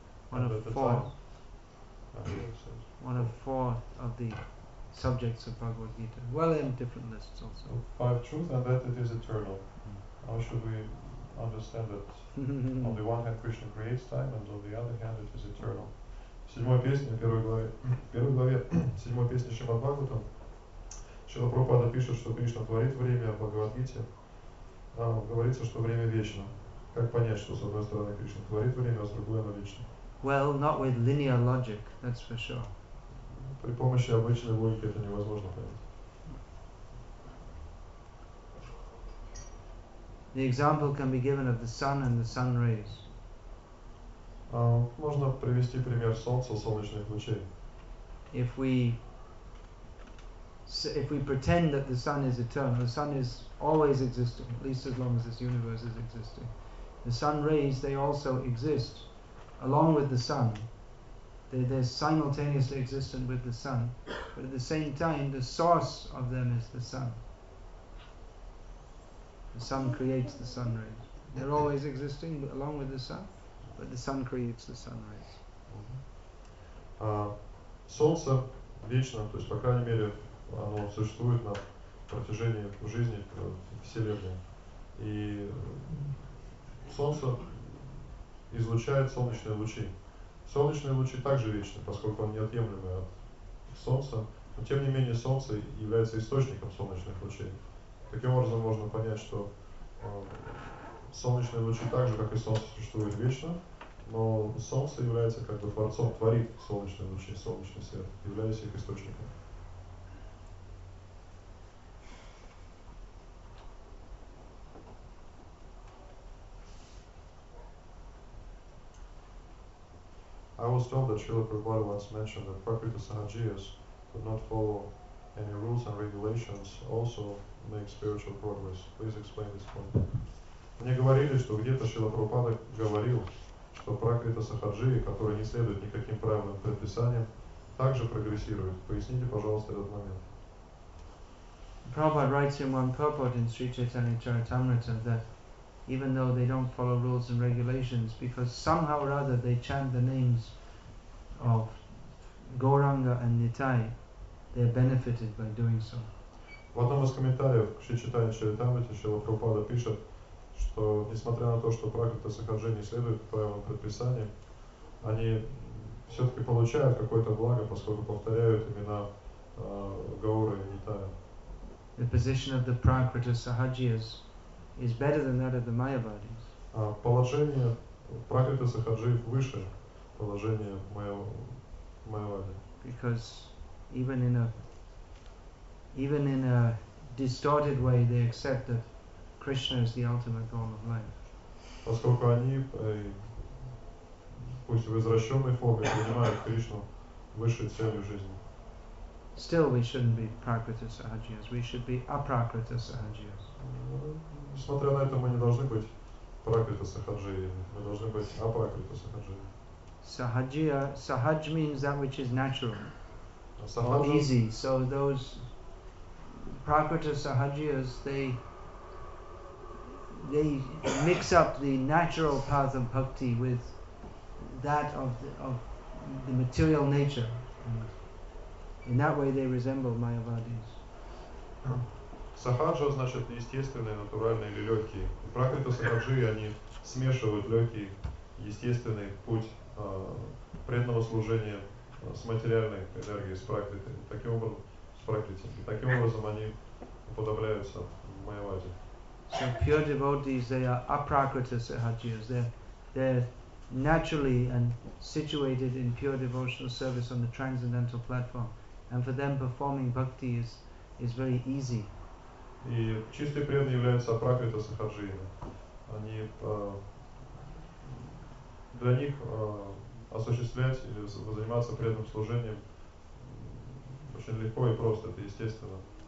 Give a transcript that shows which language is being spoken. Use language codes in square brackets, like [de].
[en] One of four of the subjects of Bhagavad Gita. Well, in different lists also. Five truths, and that it is eternal. How should we understand that on the one hand Krishna creates time and on the other hand it is eternal? [ru] Седьмая песня, первой главе, седьмой песни Шримад-Бхагаватам, Шрила Прабхупада пишет, что Кришна творит время, а в Бхагавад-гите говорится, что время вечно. Как понять, что с одной стороны Кришна творит время, а с другой оно вечно? [en] Well, not with linear logic, that's for sure. [ru] При помощи обычной логики это невозможно понять. [en] The example can be given of the sun and the sun rays. [ru] Можно привести пример солнца, солнечных лучей. [en] If we pretend that the sun is eternal, the sun is always existing, at least as long as this universe is existing. The sun rays, they also exist along with the sun. They're simultaneously existent with the sun, but at the same time, the source of them is the sun. The sun creates the sun rays. They're always existing along with the sun, but the sun creates the sun rays. [ru] Солнце вечно, то есть по крайней мере оно существует на протяжении жизни Вселенной. И солнце излучает солнечные лучи. Солнечные лучи также вечны, поскольку они неотъемлемы от солнца. Но тем не менее солнце является источником солнечных лучей. Таким образом можно понять, что солнечные лучи так же, как и солнце, существуют вечно, но солнце является как бы творцом, творит солнечные лучи, солнечный свет, являясь их источником. [en] I was told that Srila Prabhupada once mentioned that Prakriti Sahajiyas could not follow any rules and regulations also make spiritual progress. Please explain this point. [ru] Мне говорили, что где-то Шрила Прабхупада говорил, что Пракрита Сахаджии, которые не следуют никаким правилам и предписаниям, также прогрессируют. Поясните, пожалуйста, этот момент. [en] Prabhupada writes in one purport in Sri Chaitanya Charitamrita that even though they don't follow rules and regulations, because somehow or other they chant the names of Gauranga and Nitai, they are benefited by doing so. [ru] В одном из комментариев к Шри Чайтанья Чаритамрите Шрила Прабхупада пишет, что несмотря на то, что Пракрита Сахаджи не следует правилам предписания, они все-таки получают какое-то благо, поскольку повторяют имена Гауры и Нитая. [en] The position of the Prakrita Sahajiyas is better than that of the Mayavadis. [ru] Положение Пракрита Сахаджи выше положения Майявади. [en] Because even in a distorted way, they accept that Krishna is the ultimate goal of life. [ru] Поскольку они, пусть в извращенной форме, принимают Кришну высшей целью жизни. [en] Still, we shouldn't be Prakriti Sahajiyas. We should be Aprakriti Sahajiyas. [ru] Несмотря на это, мы не должны быть Prakriti Sahajiyas. Мы должны быть Aprakriti Sahajiyas. [en] Sahajiya, Sahaj means that which is natural. Or easy. So those Prakriti Sahajiyas, they mix up the natural path of bhakti with that of the material nature. And in that way they resemble Mayavadis. [ru] Сахаджа значит естественные, натуральные или легкие. Пракрита Сахаджии они смешивают легкий, естественный путь преданного служения с материальной энергией, с практикой, таким образом, с практикой. И таким образом они уподобляются майяваде. [en] So pure devotees, they are aprakriti sahajiyas. They're naturally and situated in pure devotional service on the transcendental platform. And for them, performing bhakti is very easy. [ru] И чистые преданные являются апракрита сахаджиями. Они для них осуществлять или заниматься преданным служением очень легко и просто, это естественно.